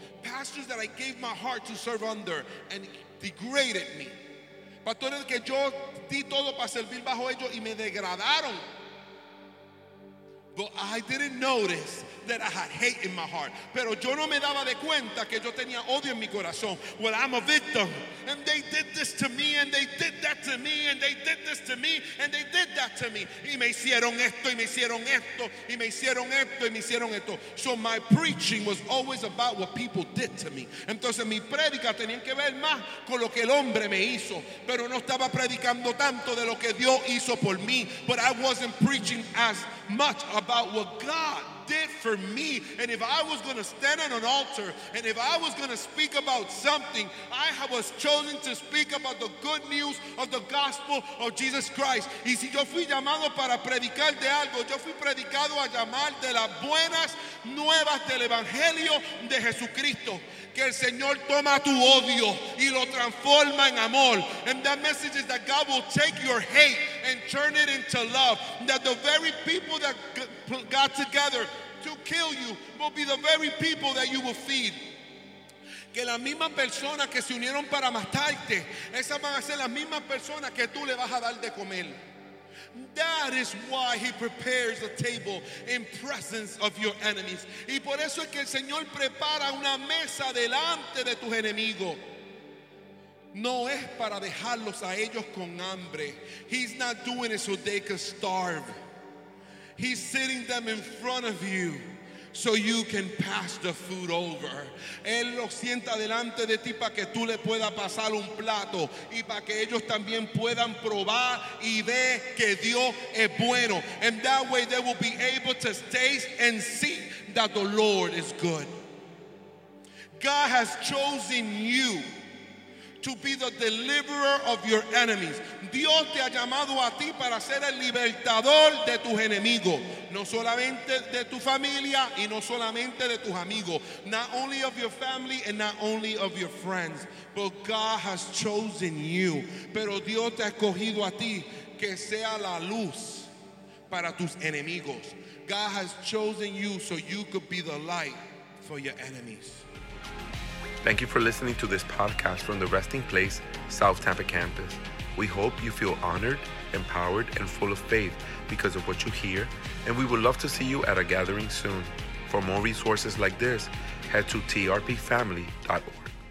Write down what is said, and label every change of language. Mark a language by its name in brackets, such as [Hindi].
[English] Pastors that I gave my heart to serve under and degraded me. [Spanish] Pastores que yo di todo para servir bajo ellos y me degradaron. [English] But I didn't notice that I had hate in my heart. [Spanish] Pero yo no me daba de cuenta que yo tenía odio en mi corazón. [English] Well, I'm a victim. And they did this to me, and they did that to me, and they did this to me, and they did that to me. [Spanish] Y me hicieron esto, y me hicieron esto, y me hicieron esto, y me hicieron esto. [English] So my preaching was always about what people did to me. [Spanish] Entonces mi predica tenía que ver más con lo que el hombre me hizo. Pero no estaba predicando tanto de lo que Dios hizo por mí. [English] But I wasn't preaching as much about what God did for me. And if I was going to stand at an altar, and if I was going to speak about something, I was chosen to speak about the good news of the gospel of Jesus Christ. [Spanish] Y si yo fui llamado para predicar de algo, yo fui predicado a llamar de las buenas nuevas del evangelio de Jesucristo. Que el Señor toma tu odio y lo transforma en amor. [English] And that message is that God will take your hate and turn it into love. That the very people that got together to kill you will be the very people that you will feed. [Spanish] Que las mismas personas que se unieron para matarte, esas van a ser las mismas personas que tú le vas a dar de comer. [English] That is why he prepares a table in presence of your enemies. [Spanish] Y por eso es que el Señor prepara una mesa delante de tus enemigos. No es para dejarlos a ellos con hambre. [English] He's not doing it so they can starve. He's sitting them in front of you so you can pass the food over. [Spanish] Él los sienta delante de ti para que tú le puedas pasar un plato y para que ellos también puedan probar y ver que Dios es bueno. [English] And that way they will be able to taste and see that the Lord is good. God has chosen you to be the deliverer of your enemies. [Spanish] Dios te ha llamado a ti para ser el libertador de tus enemigos. No solamente de tu familia y no solamente de tus amigos. [English] Not only of your family and not only of your friends. But God has chosen you. [Spanish] Pero Dios te ha escogido a ti que sea la luz para tus enemigos. [English] God has chosen you so you could be the light for your enemies. Thank you for listening to this podcast from the Resting Place, South Tampa Campus. We hope you feel honored, empowered, and full of faith because of what you hear, and we would love to see you at a gathering soon. For more resources like this, head to trpfamily.org.